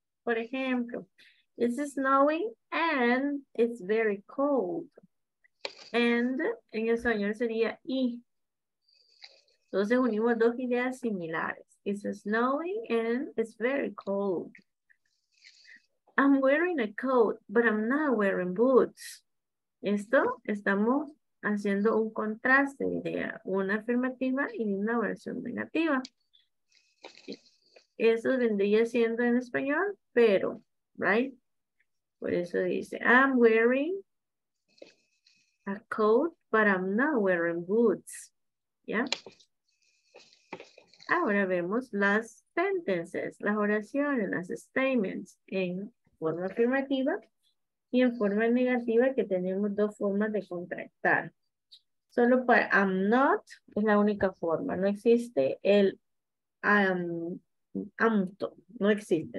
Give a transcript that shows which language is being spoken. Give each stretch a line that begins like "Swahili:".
Spanish: Por ejemplo,
English: it's snowing and it's very cold. And
Spanish: en español sería y. Entonces unimos dos ideas similares.
English: It's snowing and it's very cold. I'm wearing a coat, but I'm not wearing boots.
Spanish: Esto estamos haciendo un contraste de idea, una afirmativa y una versión negativa. Eso vendría siendo en español, pero, right? Por eso dice,
English: I'm wearing a coat, but I'm not wearing boots. Yeah.
Spanish: Ahora vemos las sentences, las oraciones, las statements en forma afirmativa y en forma negativa, que tenemos dos formas de contractar. Solo para I'm not es la única forma. No existe el amto. No existe.